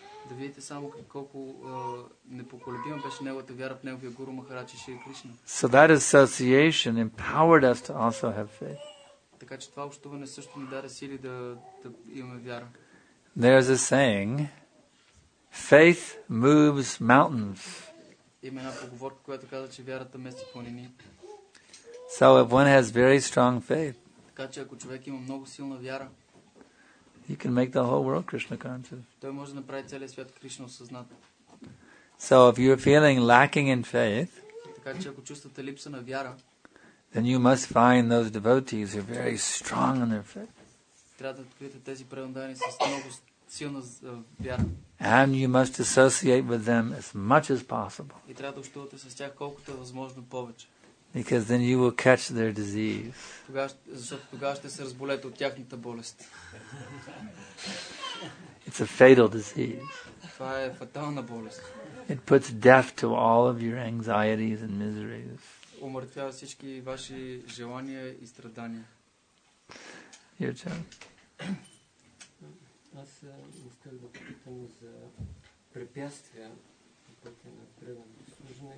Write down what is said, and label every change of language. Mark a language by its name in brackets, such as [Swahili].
[Bulgarian] Да видите само колко непоколебима беше неговата вяра в неговия гуру Махарадж и Шри Кришна. [English] So that association empowered us to also have faith. [Bulgarian] Така че това общуване също ни даде сили да имаме вяра. [English] There's a saying, faith moves mountains. [Bulgarian] Има една поговорка, която казва, че вярата мести планини. [English] So if one has very strong faith, [Bulgarian] така че ако човек има много силна вяра, [English] he can make the whole world Krishna conscious. [Bulgarian] Той може да направи целия свят Кришна осъзнат. [English] So if you're feeling lacking in faith, [Bulgarian] така че ако чувствате липса на вяра, [English] then you must find those devotees who are very strong in their faith. [Bulgarian] Трябва да откриете тези преондани с много силна вяра. [English] And you must associate with them as much as possible. [Bulgarian] И трябва да общувате с тях колкото е възможно повече. [English] Because then you will catch their disease. [Bulgarian] Защото тогава ще се разболеете от тяхната болест. [English] It's a fatal disease. [Bulgarian] Това е фатална болест. [English] It puts death to all of your anxieties and miseries. [Bulgarian] Умъртвява всички ваши желания и страдания. [English] Your turn. [Bulgarian] Аз искам да попитам за препятствия по пътя на преданото служение.